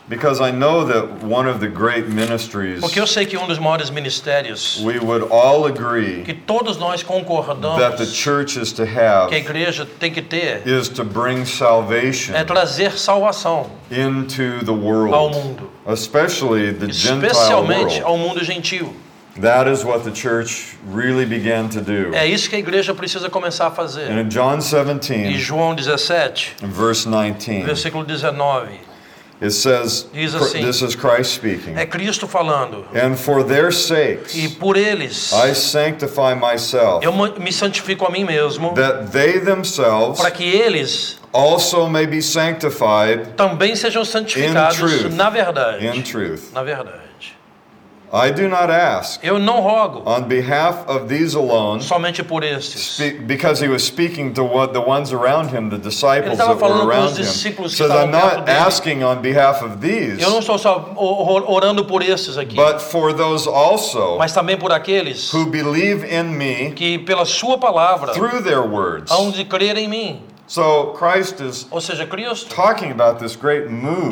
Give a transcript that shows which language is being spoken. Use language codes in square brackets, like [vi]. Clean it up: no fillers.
[en] Because I know that one of the great ministries. [pt] Porque eu sei que um dos maiores ministérios. [en] We would all agree. [pt] Que todos nós concordamos. [en] That the church is to have. [pt] Que a igreja tem que ter. [en] Is to bring salvation. [pt] É trazer salvação. [en] Into the world. [pt] Ao mundo. [en] Especially the Gentile world. [pt] Especialmente ao mundo gentil. [en] That is what the church really began to do. [pt] É isso que a igreja precisa começar a fazer. [en] And in John 17. [pt] Em João 17. [en] Verse 19. [pt] Versículo 19. [en] It says, [pt] diz assim, [en] this is Christ speaking. [pt] É Cristo falando. [en] And for their sakes, [pt] e por eles, [en] I sanctify myself. [pt] Eu me santifico a mim mesmo. [en] That they themselves, [pt] para que eles, [en] also may be sanctified, [pt] também sejam santificados [en] in truth, [pt] na verdade. [en] In truth. [pt] Na verdade. [en] I do not ask. [pt] Eu não rogo. [en] On behalf of these alone. [pt] Somente por estes. [en] Because he was speaking to what the ones around him, the disciples that were around him. Says, I'm not asking on behalf of these. [pt] Eu não estou só orando por estes aqui. [en] But for those also. [pt] Mas também por aqueles. [en] Who believe in me. [pt] Que pela sua palavra. [en] Through their words. [pt] Hão de crer em mim. [en] So Christ is, [pt] ou seja, Cristo, [en] talking about this great move,